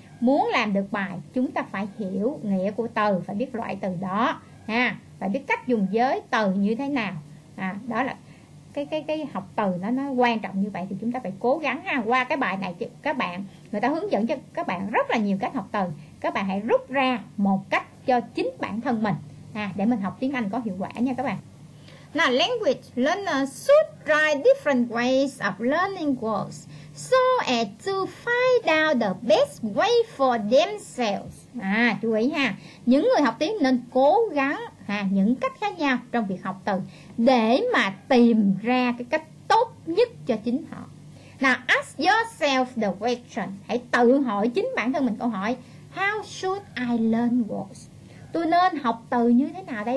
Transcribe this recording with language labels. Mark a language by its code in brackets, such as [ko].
[vi] Muốn làm được bài, chúng ta phải hiểu nghĩa của từ, phải biết loại từ đó ha, phải biết cách dùng giới từ như thế nào. À, đó là cái học từ nó quan trọng như vậy, thì chúng ta phải cố gắng ha. Qua cái bài này các bạn, người ta hướng dẫn cho các bạn rất là nhiều cách học từ, các bạn hãy rút ra một cách cho chính bản thân mình ha, để mình học tiếng Anh có hiệu quả nha các bạn. [en] Now, language learners should try different ways of learning words so as to find out the best way for themselves. [vi] À, chú ý ha. Những người học tiếng nên cố gắng ha, những cách khác nhau trong việc học từ để mà tìm ra cái cách tốt nhất cho chính họ. [en] Now, ask yourself the question. [vi] Hãy tự hỏi chính bản thân mình câu hỏi. [en] How should I learn words? [vi] Tôi nên học từ như thế nào đây?